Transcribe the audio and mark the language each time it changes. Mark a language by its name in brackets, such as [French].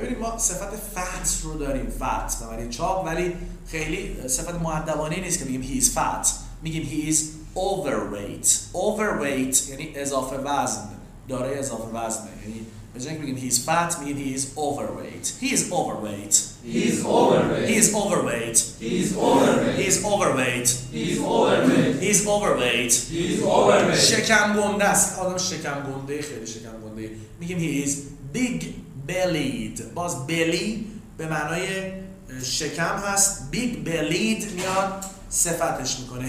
[Persian] ببینیم ما صفت fat رو داریم. [English] Fat. [Persian] ولی چاق ولی خیلی صفت مؤدبانه نیست که بگیم [English] he is fat. [Persian] میگیم [English] he is overweight. [Persian] Overweight یعنی اضافه وزن، داره اضافه وزنه. یعنی به جای اینکه بگیم [English] he's fat [Persian] میگیم [English] he is overweight. He is overweight. He is overweight. He is overweight. He is overweight. He is overweight. He is overweight. He is overweight. He is overweight. [Persian] شکم گنده است. آدم شکم گنده، خیلی شکم گنده. میگیم [English] he is big bellied. [Persian] باز belly به معنای شکم هست. Big bellied میاد صفتش میکنه.